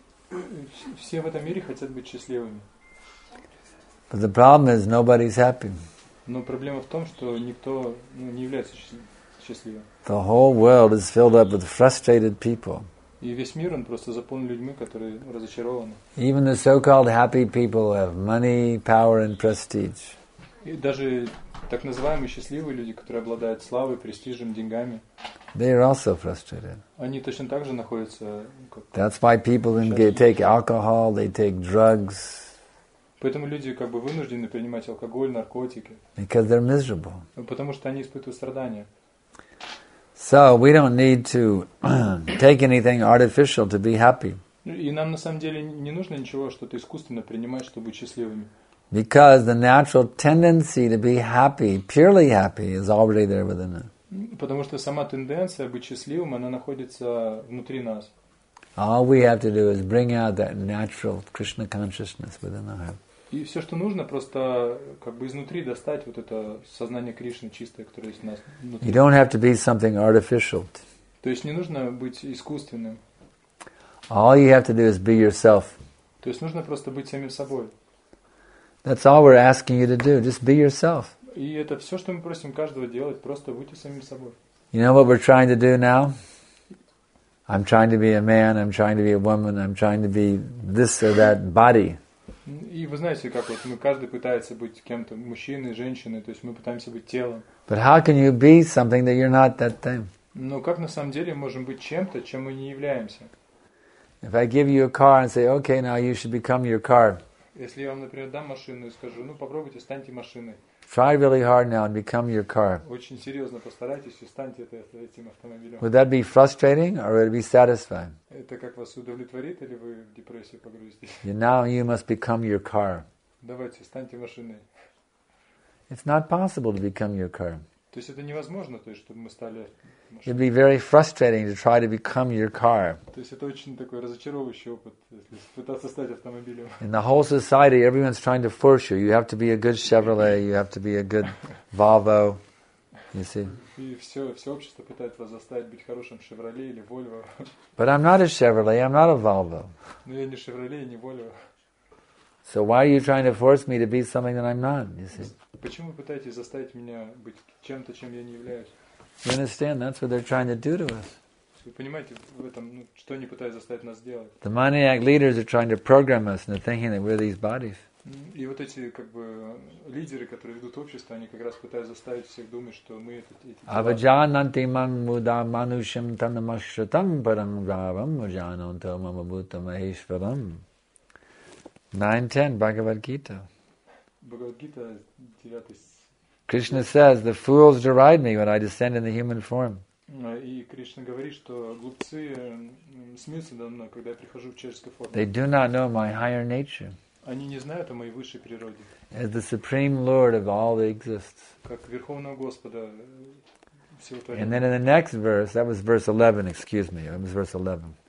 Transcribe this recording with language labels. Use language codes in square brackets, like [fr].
[en] But the problem is nobody's happy. The whole world is filled up with frustrated people. Even the so-called happy people have money, power and prestige. [ru] Даже так называемые счастливые люди, которые обладают славой, престижем, деньгами, [en] they are also frustrated. [ru] Они точно так же находятся, как... [en] That's why people take alcohol, they take drugs. [ru] Поэтому люди как бы вынуждены принимать алкоголь, наркотики. [en] Because they're miserable. [ru] Потому что они испытывают страдания. [en] So we don't need to take anything artificial to be happy. [ru] И нам на самом деле не нужно ничего, что-то искусственно принимать, чтобы быть счастливыми. [en] Because the natural tendency to be happy, purely happy, is already there within us. [ru] Потому что сама тенденция быть счастливым, она находится внутри нас. [en] All we have to do is bring out that natural Krishna consciousness within our heart. [ru] И все, что нужно, просто как бы изнутри достать вот это сознание Кришны чистое, которое есть у нас внутри. [en] You don't have to be something artificial. [ru] То есть не нужно быть искусственным. [en] All you have to do is be yourself. [ru] То есть нужно просто быть самим собой. [en] That's all we're asking you to do. Just be yourself. [ru] И это все, что мы просим каждого делать. Просто будьте самим собой. [en] You know what we're trying to do now? I'm trying to be a man. I'm trying to be a woman. I'm trying to be this or that body. [ru] И вы знаете, как вот мы каждый пытается быть кем-то, мужчиной, женщиной. То есть мы пытаемся быть телом. [en] But how can you be something that you're not that thing? [ru] Но как на самом деле можем быть чем-то, чем мы не являемся? [en] If I give you a car and say, okay, now you should become your car. [ru] Если я вам, например, дам машину и скажу, ну попробуйте, станьте машиной. [en] Try really hard now and become your car. [ru] Очень серьезно постарайтесь и станьте этим автомобилем. [en] Would that be frustrating or would it be satisfying? [ru] Это как вас удовлетворит или вы в депрессию погрузитесь? [en] You now you must become your car. [ru] Давайте, станьте машиной. [en] It's not possible to become your car. [ru] То есть это невозможно, то есть чтобы мы стали машиной. [en] It'd be very frustrating to try to become your car. [ru] То есть это очень такой разочаровывающий опыт, если пытаться стать автомобилем. [en] In the whole society, everyone's trying to force you. You have to be a good Chevrolet, you have to be a good Volvo, you see. [ru] И все общество пытается вас заставить быть хорошим Chevrolet или Volvo. [en] But I'm not a Chevrolet, I'm not a Volvo. [ru] Но я не Chevrolet, не Volvo. [en] So why are you trying to force me to be something that I'm not, you see? [ru] Почему вы пытаетесь заставить меня быть чем-то, чем я не являюсь? [en] You understand? That's what they're trying to do to us. [ru] Вы понимаете, в этом, ну, что они пытаются заставить нас делать? [en] The maniac leaders are trying to program us into thinking that we're these bodies. [ru] И вот эти как бы лидеры, которые ведут общество, они как раз пытаются заставить всех думать, что мы [sa] Аваджананти мангмуда манушим танамашратам парангавам ужананта мамабута махишварам. [ru] 9:10 Бхагавад-гита. Бхагавад-гита 9 стих. [en] Krishna says, the fools deride me when I descend in the human form. [ru] И Кришна говорит, что глупцы смеются надо мной, когда я прихожу в человеческой форме. [en] They do not know my higher nature. [ru] Они не знают о моей высшей природе. [en] As the supreme Lord of all that exists. [ru] Как верховного Господа всего творения. [en] And then in the next verse, that was verse 11, excuse me, it was verse 11.